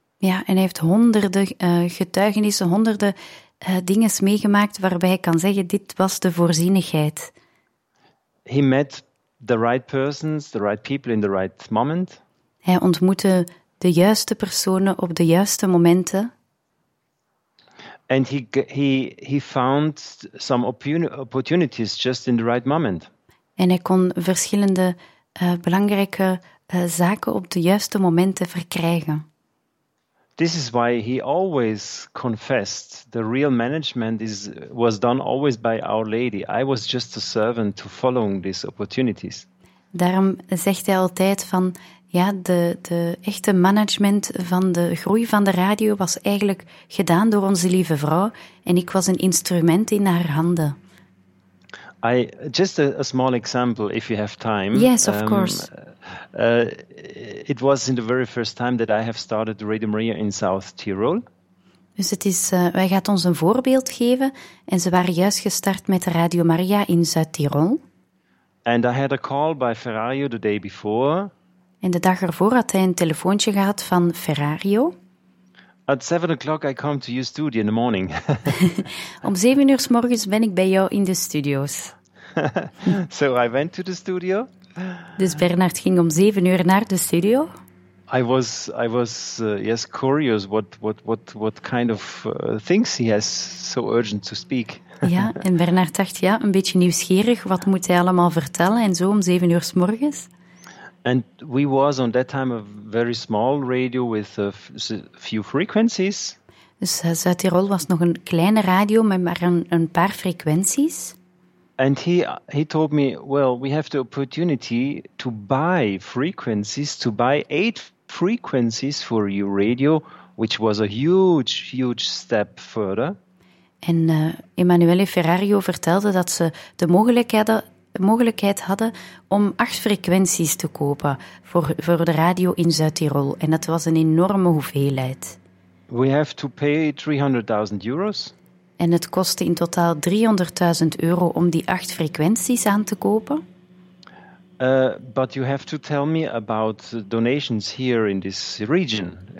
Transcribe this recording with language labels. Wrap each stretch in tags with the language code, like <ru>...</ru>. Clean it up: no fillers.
<nl>Ja, en hij heeft honderden getuigenissen, honderden dingen meegemaakt waarbij hij kan zeggen: dit was de voorzienigheid.</nl> <en>He met the right persons, the right people in the right moment.</en> <nl>Hij ontmoette de juiste personen op de juiste momenten.</nl> <en>And he found some opportunities just in the right moment.</en> <nl>En hij kon verschillende belangrijke zaken op de juiste momenten verkrijgen.</nl> <en>This is why he always confessed the real management was done always by Our Lady. I was just a servant to following these opportunities.</en> <nl>Daarom zegt hij altijd van, ja, de echte management van de groei van de radio was eigenlijk gedaan door onze lieve vrouw en ik was een instrument in haar handen.</nl> <en>Just a small example, if you have time. Yes, of course. It was in the very first time that I have started Radio Maria in South Tyrol.</en> <nl>Dus het is, wij gaan ons een voorbeeld geven en ze waren juist gestart met Radio Maria in Zuid-Tirol.</nl> <en>And I had a call by Ferrario the day before.</en> <nl>En de dag ervoor had hij een telefoontje gehad van Ferrario.</nl> <en>At 7 o'clock I come to your studio in the morning.</en> <nl>Om 7 uur 's morgens ben ik bij jou in de studio's.</nl> <en>So I went to the studio.</en> <nl>Dus Bernard ging om 7 uur naar de studio.</nl> <en>I was curious what kind of things he has so urgent to speak.</en> <nl>Ja, en Bernard dacht, ja, een beetje nieuwsgierig, wat moet hij allemaal vertellen en zo om 7 uur 's morgens.</nl> <en>And we was on that time a very small radio with a few frequencies.</en> <nl>Dus Zuid-Tirol was nog een kleine radio met maar een paar frequenties.</nl> <en>And he told me, well, we have the opportunity to buy frequencies, to buy 8 frequencies for your radio, which was a huge, huge step further.</en> <nl>En Emanuele Ferrario vertelde dat ze de mogelijkheid hadden om 8 frequenties te kopen voor de radio in Zuid-Tirol. En dat was een enorme hoeveelheid.</nl> <en>We have to pay 300.000 euros.</en> <nl>En het kostte in totaal 300.000 euro om die 8 frequenties aan te kopen.</nl> <en>But you have to tell me about donations here in this region.</en>